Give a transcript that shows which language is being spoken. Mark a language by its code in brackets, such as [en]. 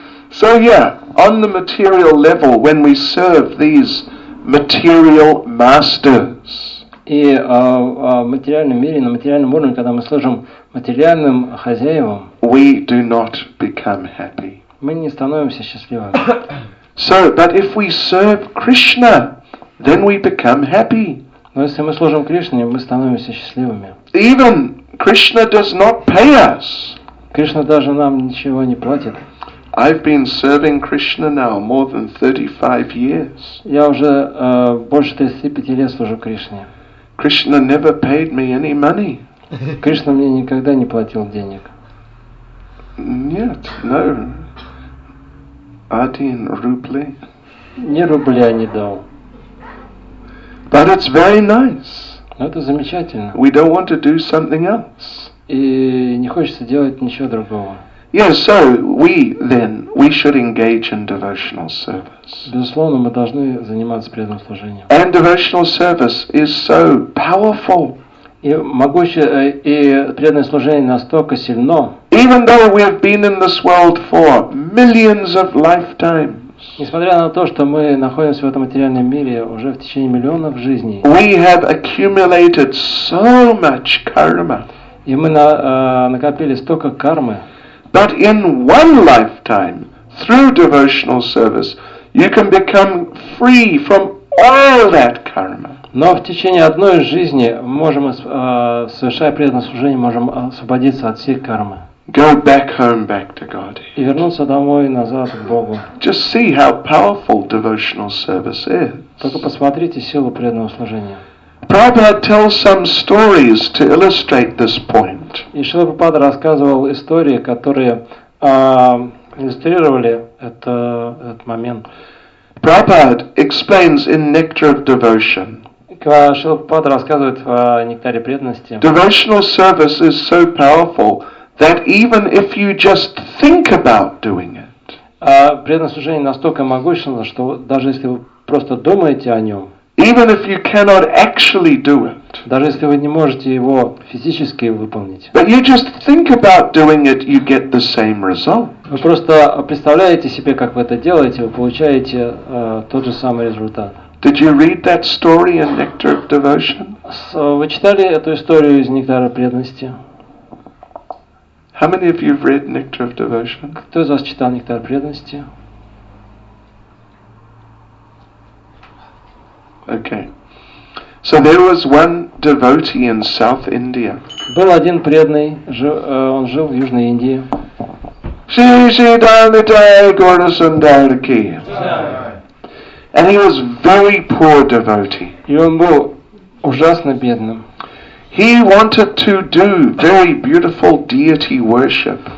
[en] So yeah, on the material level, when we serve these material masters. [ru] И в материальном мире, на материальном уровне, когда мы служим материальным хозяевам. [en] We do not become happy. [ru] Мы не становимся счастливыми. [en] So, but if we serve Krishna. Then we become happy. [ru] Но если мы служим Кришне, мы становимся счастливыми. [en] Even Krishna does not pay us. [ru] Кришна даже нам ничего не платит. [en] I've been serving Krishna now more than 35 years. [ru] Я уже больше 35 лет служу Кришне. [en] Krishna never paid me any money. [ru] Кришна мне никогда не платил денег. Нет, [en] no. [ru] Один рубль. Ни рубля не дал. [en] But it's very nice. [ru] Но это замечательно. [en] We don't want to do something else. [ru] И не хочется делать ничего другого. [en] Yes, so we then we should engage in devotional service. [ru] Безусловно, мы должны заниматься преданным служением. [en] And devotional service is so powerful. [ru] И могущее и преданное служение настолько сильно. [en] Even though we have been in this world for millions of lifetimes. [ru] Несмотря на то, что мы находимся в этом материальном мире уже в течение миллионов жизней. [en] We have accumulated so much karma. [ru] И мы накопили столько кармы. [en] But in one lifetime, through devotional service, you can become free from all that karma. [ru] Но в течение одной жизни мы можем, совершая преданное служение, можем освободиться от всей кармы. [en] Go back home, back to God. [ru] И вернуться домой назад к Богу. [en] Just see how powerful devotional service is. [ru] Только посмотрите силу преданного служения. [en] Prabhupada tells some stories to illustrate this point. [ru] И Шрила Прабхупада рассказывал истории, которые иллюстрировали этот момент. [en] Prabhupada explains in Nectar of Devotion. [ru] Шрила Прабхупада рассказывает в Нектаре преданности. [en] Devotional service is so powerful that even if you just think about doing it. [ru] Преданное служение настолько могущественно, что даже если вы просто думаете о нем. [en] Even if you cannot actually do it. [ru] Даже если вы не можете его физически выполнить. [en] But you just think about doing it, you get the same result. [ru] Вы просто представляете себе, как вы это делаете, вы получаете тот же самый результат. [en] Did you read that story in Nectar of Devotion? [ru] Вы читали эту историю из Нектара преданности? [en] How many of you have read Nectar of Devotion? [ru] Кто из вас читал Нектар преданности? [en] Okay. So there was one devotee in South India. [ru] Был один преданный, он жил в Южной Индии. [sa] Shri Shri Dalmitai Gaura Sundar Ki. [en] And he was very poor devotee. [ru] И он был ужасно бедным. [en] He wanted to do very beautiful deity worship.